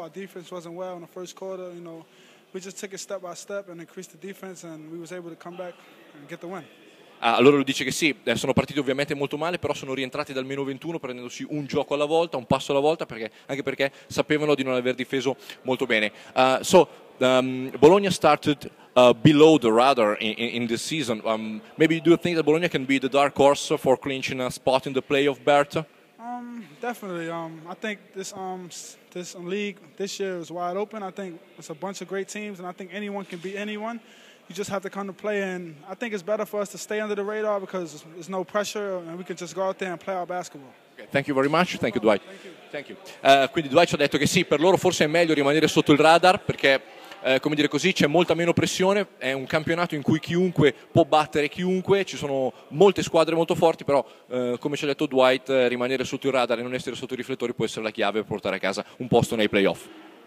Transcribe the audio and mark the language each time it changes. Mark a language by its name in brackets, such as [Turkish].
[English] Our defense wasn't well in the first quarter. You know, we just took it step by step and increased the defense, and we was able to come back and get the win. [Italian] Allora lui dice che sì, sono partiti ovviamente molto male, però sono rientrati dal meno 21 prendendosi un gioco alla volta, un passo alla volta, perché, anche perché sapevano di non aver difeso molto bene. [English] Bologna started below the radar in this season. Maybe you do think that Bologna can be the dark horse for clinching a spot in the playoff, Bert? Definitely. I think this league this year is wide open. I think it's a bunch of great teams, and I think anyone can beat anyone. You just have to come to play, and I think it's better for us to stay under the radar because there's no pressure and we can just go out there and play our basketball. Okay, thank you very much. Thank you, Dwight. Thank you. [Italian] Quindi Dwight ci ha detto che sì, per loro forse è meglio rimanere sotto il radar perché, come dire così, c'è molta meno pressione, è un campionato in cui chiunque può battere chiunque, ci sono molte squadre molto forti, però come ci ha detto Dwight, rimanere sotto il radar e non essere sotto i riflettori può essere la chiave per portare a casa un posto nei playoff.